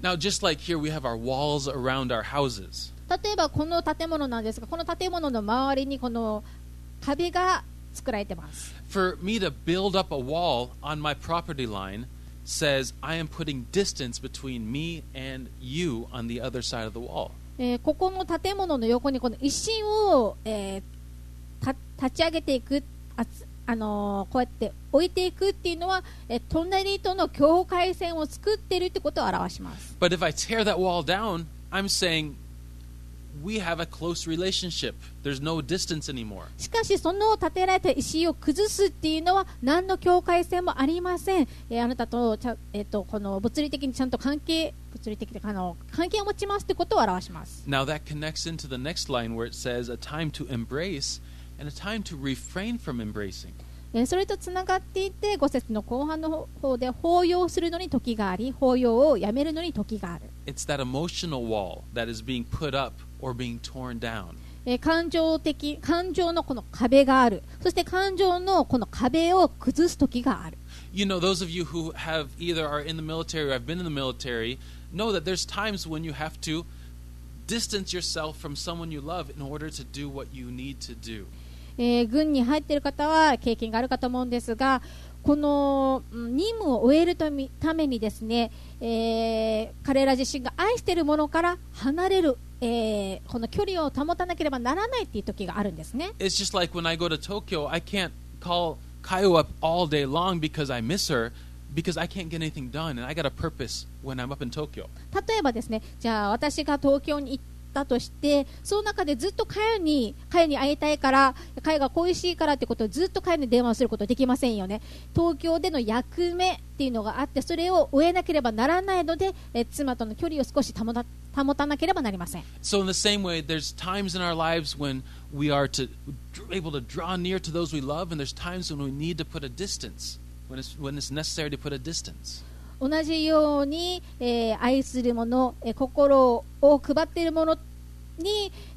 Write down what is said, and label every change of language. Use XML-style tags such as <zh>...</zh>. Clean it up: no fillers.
<en>Now, just like here, we have our walls around our houses.</en> <ja>例えばこの建物なんですが、この建物の周りにこの壁が作られています。</ja> <en>For me to build up a wall on my property line says I am putting distance between me and you on the other side of the wall.</en> <ja>ここの建物の横にこの石を、立ち上げていく。こうやって置いていくっていうのは、隣との境界線を作ってるってことを表します。</ja> <en>But if I tear that wall down, I'm saying we have a close relationship. There's no distance anymore.</en> <ja>しかしその立てられた石を崩すっていうのは何の境界線もありません。あなたと、この物理的にちゃんと関係、物理的に関係を持ちますってことを表します。</ja> <en>Now that connects into the next line where it says a time to embrace. And a time to refrain from embracing.</en> <ja>それとつながっていて、五節の後半の方で抱擁するのに時があり、抱擁をやめるのに時がある。</ja> <en>It's that emotional wall that is being put up or being torn down.</en> <ja>感情のこの壁がある。そして感情のこの壁を崩す時がある。</ja> <en>You know, those of you who have either are in the military or have been in the military know that there's times when you have to distance yourself from someone you love in order to do what you need to do.</en> <ja>軍に入っている方は経験があるかと思うんですが、この任務を終えるためにですね、彼ら自身が愛しているものから離れる、この距離を保たなければならないっていう時があるんですね。</ja> <en>It's just like when I go to Tokyo, I can't call Kaio up all day long because I miss her. Because I can't get anything done, and I got a purpose when I'm up in Tokyo.</en> <ja>例えばですね、じゃあ私が東京に行ったとして、その中でずっとカヨに会いたいから、カヨが恋しいからってことをずっとカヨに電話することできませんよね。東京での役目っていうのがあって、それを終えなければならないので、妻との距離を少し保たなければなりません。</ja> <en>So in the same way, there's times in our lives when we are to able to draw near to those we love, and there's times when we need to put a distance. When it's necessary to put a distance.</en> <ja>同じように、愛するもの、心を配っているものに、</ja>